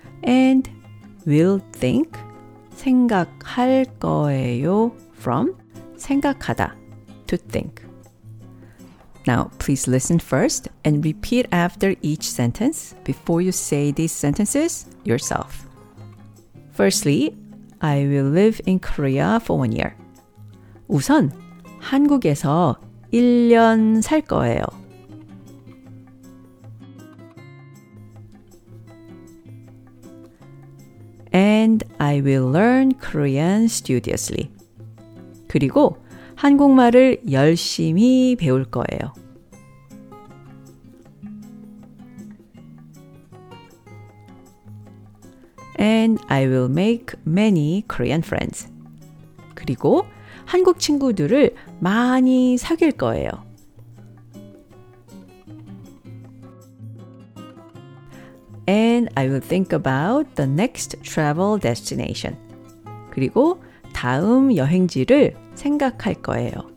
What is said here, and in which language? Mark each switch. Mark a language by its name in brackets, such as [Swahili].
[English] And will think, 생각할 거예요, from 생각하다, to think. Now, please listen first and repeat after each sentence before you say these sentences yourself. Firstly, I will live in Korea for 1 year. [Korean] 우선 한국에서 1년 살 거예요. [English] And I will learn Korean studiously. [Korean] 그리고 한국말을 열심히 배울 거예요. [English] And I will make many Korean friends. [Korean] 그리고 한국 친구들을 많이 사귈 거예요. [English] And I will think about the next travel destination. [Korean] 그리고 다음 여행지를 생각할 거예요.